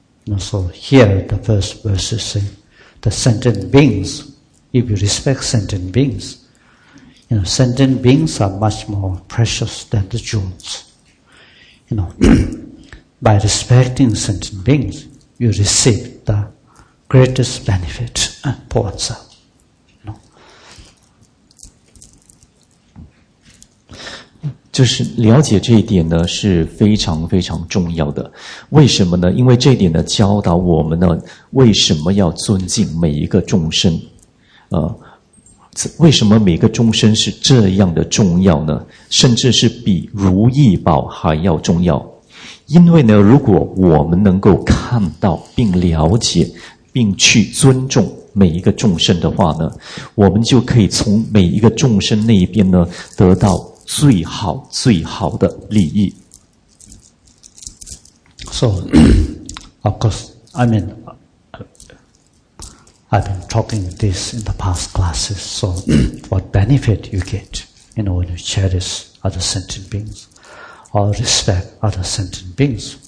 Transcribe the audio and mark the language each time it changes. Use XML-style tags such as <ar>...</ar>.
<en>And so, here the first verse is saying, the sentient beings, if you respect sentient beings, you know, sentient beings are much more precious than the jewels. You know, by respecting sentient beings, you receive theGreatest benefit, for oneself. No.</en> <zh>就是了解这一点呢，是非常非常重要的。为什么呢？因为这一点呢，教导我们呢，为什么要尊敬每一个众生？为什么每个众生是这样的重要呢？甚至是比如意宝还要重要。因为呢，如果我们能够看到并了解并去尊重每一个众生的话呢，我们就可以从每一个众生那一边呢得到最好最好的利益。</zh> <en>So, of course, I mean, I've been talking this in the past classes. So, what benefit you get, you know, when you cherish other sentient beings or respect other sentient beings?</en>